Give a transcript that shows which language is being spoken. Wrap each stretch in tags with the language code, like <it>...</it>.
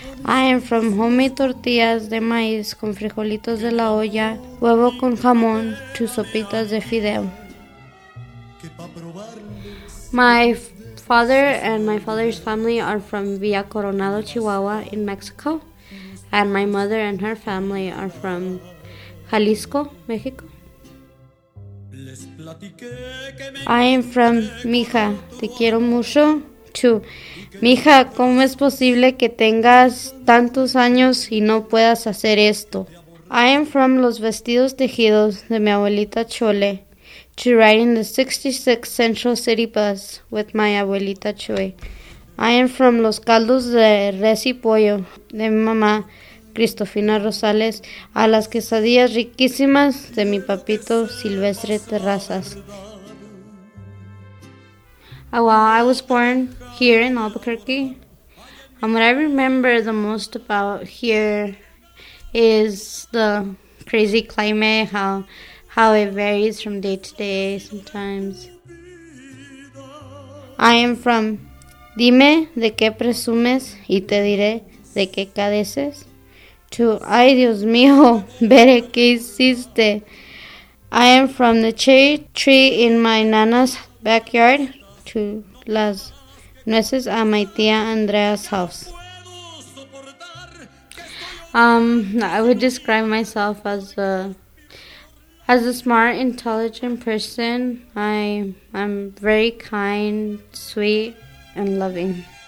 <en>I am from homemade</en> <es>tortillas de maíz con frijolitos de la olla, huevo con jamón, to sopitas de fideo.</es> <en>My father and my father's family are from Villa Coronado, Chihuahua in Mexico, and my mother and her family are from Jalisco, Mexico. I am from</en> <es>Mija, te quiero mucho, to Mija, ¿cómo es posible que tengas tantos años y no puedas hacer esto?</es> <en>I am from</en> <es>los vestidos tejidos de mi abuelita Chole,</es> <en>to riding the 66 Central City Bus with my abuelita Chue. I am from</en> <es>los caldos de res y pollo de mi mamá Cristofina Rosales a las quesadillas riquísimas de mi papito Silvestre Terrazas.</es> <en>Oh, well, I was born here in Albuquerque. And what I remember the most about here is the crazy climate, how it varies from day to day sometimes. I am from</en> <es>Dime de qué presumes y te diré de qué careces. To Ay Dios mío, veré qué hiciste.</es> <en>I am from the cherry tree in my nana's backyard.</en> <es>To las nueces a my tía Andrea's house.</es> <en>I would describe myself as a smart, intelligent person. I'm very kind, sweet, and loving.</en>